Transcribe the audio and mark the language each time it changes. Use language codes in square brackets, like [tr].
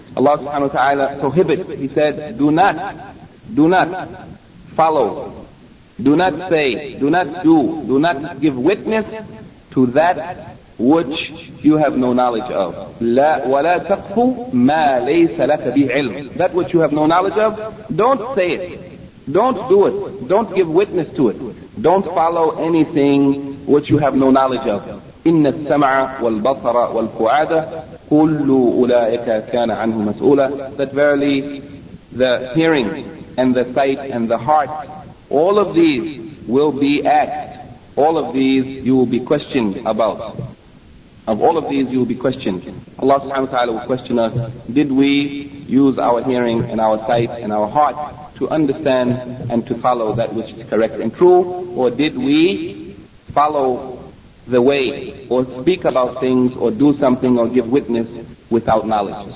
[en] Allah subhanahu wa ta'ala prohibits, He said, do not follow, do not say, do not give witness to that which you have no knowledge of. [ar] وَلَا تَقْفُ مَا لَيْسَ لَكَ بِعِلْمٍ. [en] That which you have no knowledge of, don't say it, don't do it, don't give witness to it, don't follow anything which you have no knowledge of. [ar] إِنَّ السَّمْعَ وَالْبَصَرَ وَالْفُعَادَ كُلُّ أُولَٰئِكَ كَانَ عَنْهُ مَسْؤُولًا. [en] That verily the hearing and the sight and the heart, all of these will be asked, all of these you will be questioned about. Of all of these you will be questioned. Allah subhanahu wa ta'ala will question us, did we use our hearing and our sight and our heart to understand and to follow that which is correct and true, or did we follow the way, or speak about things, or do something, or give witness without knowledge?